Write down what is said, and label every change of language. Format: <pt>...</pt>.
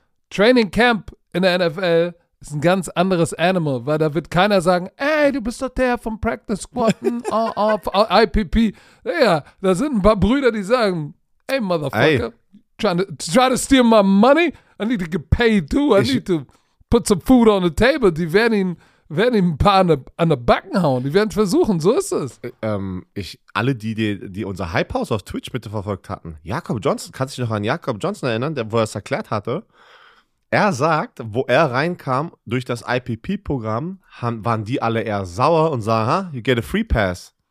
<de>Training Camp in der NFL ist ein ganz anderes Animal, weil da wird keiner sagen, ey, du bist doch der vom Practice Squad, IPP. Ja, da sind ein paar Brüder, die sagen, ey,</de> <en>Motherfucker, try to steal my money? I need to get paid too. I need to put some food on the table.</en> <de>Die werden ihm ein paar an der Backen hauen. Die werden versuchen, so ist es. Alle, die unser Hype House auf Twitch bitte verfolgt hatten, Jakob Johnson, kannst du dich noch an Jakob Johnson erinnern, der, wo er es erklärt hatte? Er sagt, wo er reinkam durch das IPP-Programm, waren die alle eher sauer und sagen,</de> <en>you get a free pass.</en>